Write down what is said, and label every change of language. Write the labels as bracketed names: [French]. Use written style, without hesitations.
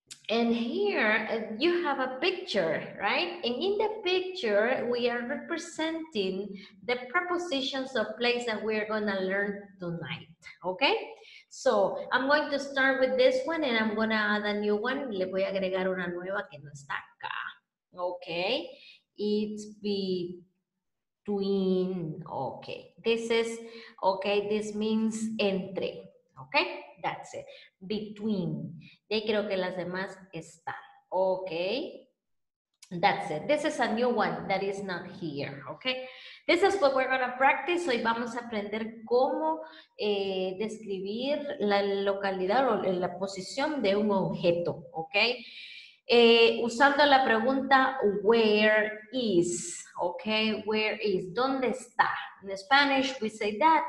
[English] And here you have a picture, right? And in the picture, we are representing the prepositions of place that we are going to learn tonight, okay? So I'm going to start with this one and I'm going to add a new one. [Spanish] Le voy a agregar una nueva que no está acá, okay? [English] It's between, okay. This is, okay, this means entre. Okay, that's it. Between. [Spanish] Y creo que las demás están. [English] Okay, that's it. This is a new one that is not here. Okay, this is what we're going to practice. [Spanish] Hoy vamos a aprender cómo describir la localidad o la posición de un objeto. Okay, usando la pregunta where is. [English] Okay, where is. [Spanish] ¿Dónde está? [English] In Spanish, we say that.